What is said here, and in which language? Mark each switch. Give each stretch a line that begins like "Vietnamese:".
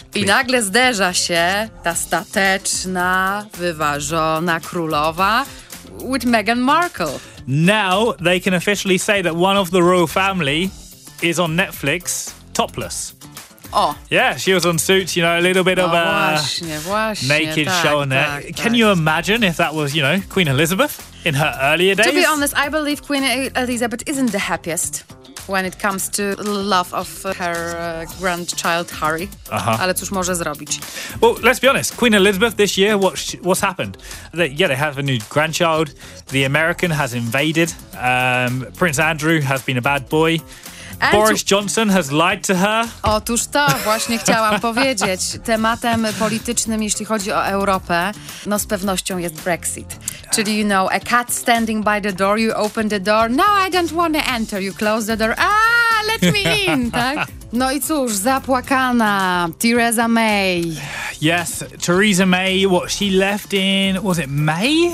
Polish: I nagle zderza się ta stateczna, wyważona królowa with Meghan Markle.
English: Now they can officially say that one of the royal family is on Netflix topless. Oh. Yeah, she was on Suits, you know, a little bit of a naked show on there. Can you imagine if that was, you know, Queen Elizabeth in her earlier days? To be honest, I believe Queen Elizabeth isn't the happiest when it comes to love of her grandchild Harry. Uh-huh.
Polish: Ale cóż może zrobić?
English: Well, let's be honest. Queen Elizabeth this year, what's happened? They have a new grandchild. The American has invaded. Prince Andrew has been a bad boy. Boris Johnson has lied to her.
Polish: Otóż to właśnie chciałam powiedzieć. Tematem politycznym, jeśli chodzi o Europę, no z pewnością jest Brexit.
English: Czyli, you know, a cat standing by the door, you open the door. No, I don't want to enter. You close the door. Let me in, tak?
Polish: No i cóż, zapłakana
English: Theresa May. Yes, Theresa May, what she left in, was it May,